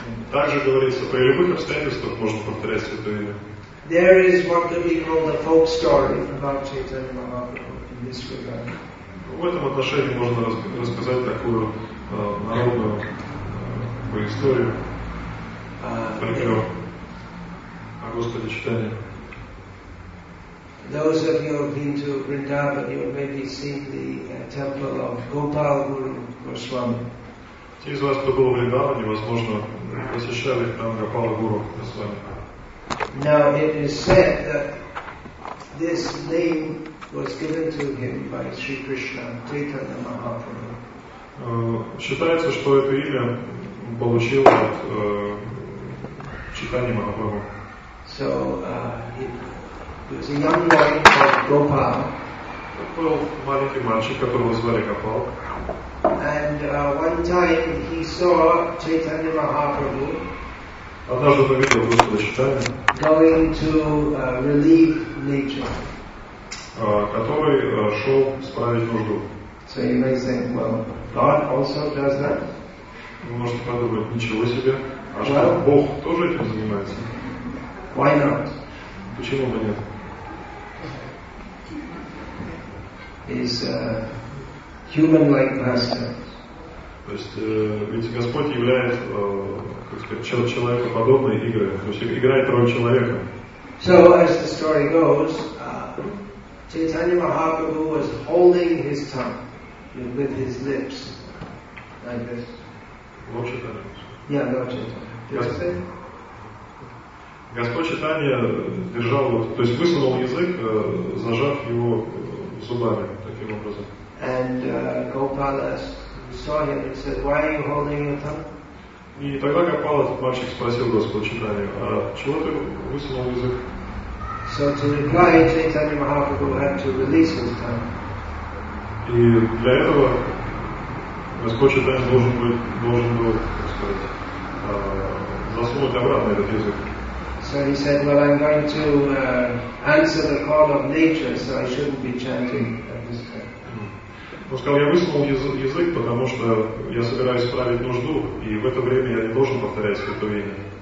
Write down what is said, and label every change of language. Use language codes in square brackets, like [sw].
[ru] Также говорится, при любых обстоятельствах можно повторять святое имя. [en] There is what could be called a folk story about Chaitanya Mahaprabhu in this regard. [ru] В этом отношении можно рассказать такую народную историю, например, о Господе Чайтанье. [en] Those of you who have been to Vrindavan, you have maybe seen the temple of Gopal Guru Goswami. [ru] Те из вас, кто был в Вриндаване, возможно, посещали там Гопала Гуру Госвами. [en] Now it is said that this name was given to him by Sri Krishna, Chaitanya Mahaprabhu. [ru] Считается, что это имя получил от Чайтаньи Махапрабху. [en] So, he was a young boy called Gopal. [ru] Это был маленький мальчик, которого звали Гопал. [en] And one time he saw Chaitanya Mahaprabhu. [ru] Однажды он увидел Господа Чайтанью. [en] Going to relieve nature. [ru] Который шел справить нужду. [en] So you may say, well, God also does that. [ru] Вы можете подумать, ничего себе. А что, [en] well, [ru] Бог тоже этим занимается? [en] Why not? [ru] Почему бы нет? [en] He's a human-like master. [ru] То есть, ведь Господь являет, как сказать, человекоподобной игрой. То есть, играет роль человека. [en] So, as the story goes, Chaitanya Mahaprabhu was holding his tongue with his lips, like this. Lord Chaitanya. Yeah, Lord Chaitanya. [ru] Господь Чайтанья держал, то есть высунул язык, зажав его зубами, таким образом. [en] And Gopala saw him and said, why are you holding your tongue? [ru] И тогда Гопала, этот мальчик, спросил Господь Чайтанья, а чего ты высунул язык? [en] So to reply, Chaitanya Mahaprabhu had to release his tongue. [ru] И для этого Господь Чайтанья должен был, так сказать, засунуть обратно этот язык. [en] So he said, well, I'm going to answer the call of nature, so I shouldn't be chanting at this time. [ru] Он сказал, я высунул язык, потому что я собираюсь справить нужду, и в это время я не должен повторять святое имя.